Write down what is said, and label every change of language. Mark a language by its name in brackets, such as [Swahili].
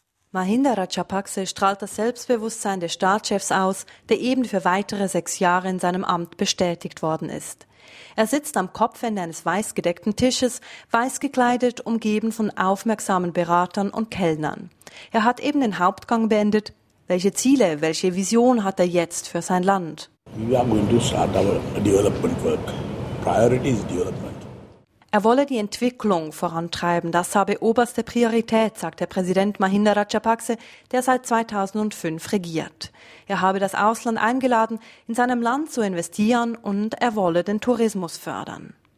[German] Mahinda Rajapakse strahlt das Selbstbewusstsein des Staatschefs aus, der eben für weitere 6 Jahre in seinem Amt bestätigt worden ist. Er sitzt am Kopfende eines weiß gedeckten Tisches, weiß gekleidet, umgeben von aufmerksamen Beratern und Kellnern. Er hat eben den Hauptgang beendet. Welche Ziele, welche Vision hat er jetzt für sein Land? [English] We are going to start our development work. Priority is development. [German] Er wolle die Entwicklung vorantreiben, das habe oberste Priorität, sagt der Präsident Mahinda Rajapakse, der seit 2005 regiert. Er habe das Ausland eingeladen, in seinem Land zu investieren und er wolle den Tourismus fördern.